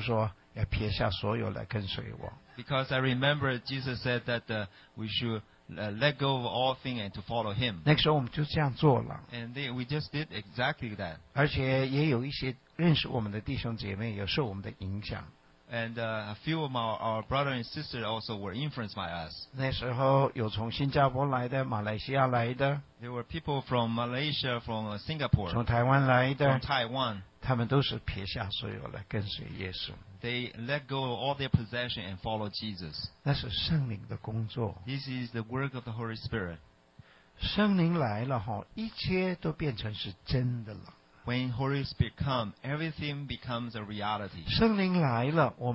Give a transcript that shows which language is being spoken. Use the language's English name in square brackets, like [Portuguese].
[Chinese] 因为想到耶稣说要撇下所有来跟随我。 [English] Because I remember Jesus said that we should let go of all things and to follow Him. [Chinese] 那个时候我们就这样做了。 [English] And we just did exactly that. [Chinese] 而且也有一些认识我们的弟兄姐妹也受我们的影响。 [English] And a few of our brothers and sisters also were influenced by us. [Chinese] 那时候有从新加坡来的, 马来西亚来的, [English] there were people from Malaysia, from Singapore, [Chinese] 从台湾来的, [English] from Taiwan. [Chinese] 他们都是撇下所有来跟随耶稣。 [English] They let go of all their possessions and follow Jesus. [Chinese] 那是圣灵的工作。 [English] This is the work of the Holy Spirit. [Chinese] 圣灵来了, 一切都变成是真的了。 [English] When Holy Spirit comes, everything becomes a reality.